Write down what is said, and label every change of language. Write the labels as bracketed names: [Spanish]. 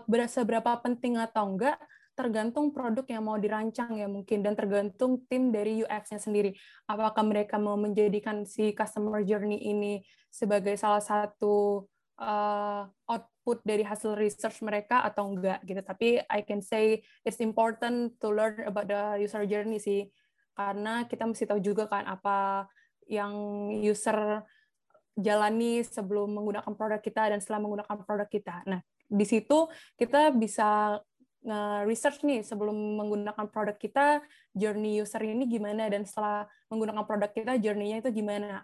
[Indonesian] Seberapa penting atau enggak, tergantung produk yang mau dirancang ya mungkin, dan tergantung tim dari UX-nya sendiri. Apakah mereka mau menjadikan si customer journey ini sebagai salah satu output dari hasil research mereka atau enggak gitu. Tapi [English] I can say it's important to learn about the user journey [Indonesian] sih. Karena kita mesti tahu juga kan apa yang user jalani sebelum menggunakan produk kita dan setelah menggunakan produk kita. Nah, di situ kita bisa research nih sebelum menggunakan produk kita, journey user ini gimana, dan setelah menggunakan produk kita, journey-nya itu gimana.